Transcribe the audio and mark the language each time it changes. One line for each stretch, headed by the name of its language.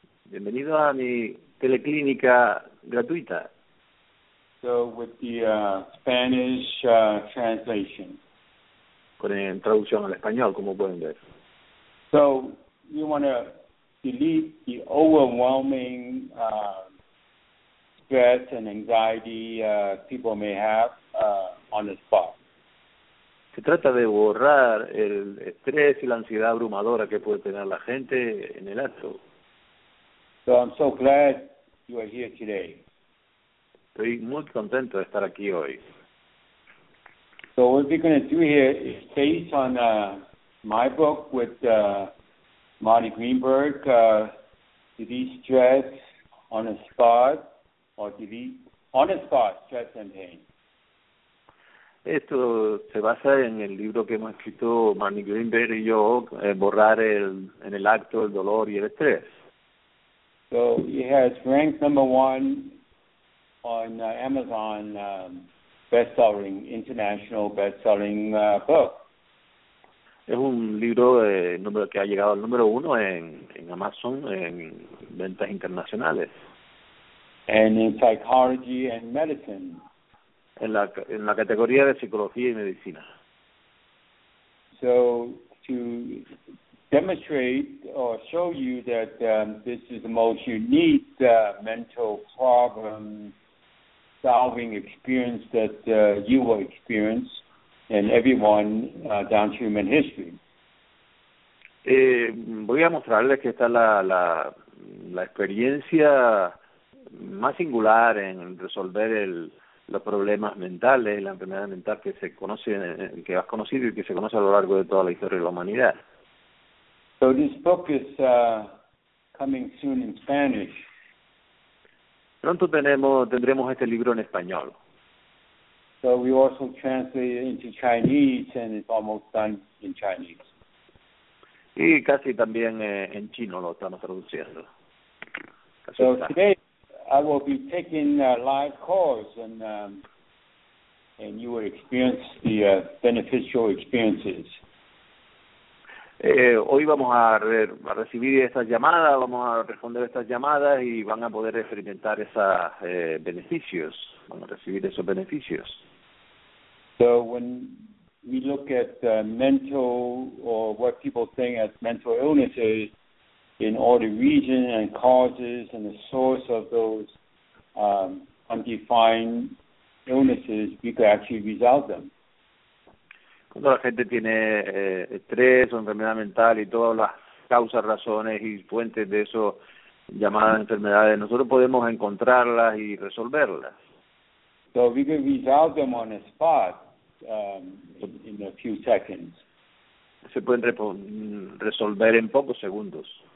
Spanish: Bienvenido a mi teleclínica gratuita.
English: So with the Spanish translation.
Spanish: Con traducción al español, como pueden ver.
English: So you want to delete the overwhelming stress and anxiety people may have on the spot.
Spanish: Se trata de borrar el estrés y la ansiedad abrumadora que puede tener la gente en el acto.
English: So I'm so glad you are here today.
Spanish: Estoy muy contento de estar aquí hoy.
English: So what we're going to do here is based on my book with Marty Greenberg, Delete Stress on the Spot, or Delete on the Spot, Stress and Pain.
Spanish: Esto se basa en el libro que hemos escrito Marty Greenberg y yo, Borrar en el acto el dolor y el estrés.
English: So he has ranked number one on Amazon, best-selling, international best-selling book.
Spanish: Es un libro que ha llegado al número uno en Amazon, en ventas internacionales.
English: And in psychology and medicine.
Spanish: En la categoría de psicología y medicina.
English: So to demonstrate or show you that this is the most unique mental problem solving experience that you will experience and everyone down to human history.
Spanish: Voy a mostrarles que esta es la experiencia más singular en resolver los problemas mentales, la enfermedad mental que se conoce, que has conocido y que se conoce a lo largo de toda la historia de la humanidad.
English: So this book is coming soon in Spanish.
Spanish: Pronto tendremos este libro en español.
English: So we also translate it into Chinese, and it's almost done in Chinese.
Spanish: Y casi también en chino lo estamos traduciendo. Casi so está.
English: Today I will be taking live calls, and you will experience the beneficial experiences.
Spanish: Hoy vamos a recibir estas llamadas, vamos a responder estas llamadas y van a poder experimentar esos beneficios, van a recibir esos beneficios.
English: So when we look at mental or what people think as mental illnesses in all the region and causes and the source of those undefined illnesses, we could actually resolve them.
Spanish: Cuando la gente tiene estrés o enfermedad mental y todas las causas, razones y fuentes de eso llamadas enfermedades, nosotros podemos encontrarlas y resolverlas.
English: So we can resolve them on the spot in a few seconds.
Spanish: Se pueden resolver en pocos segundos.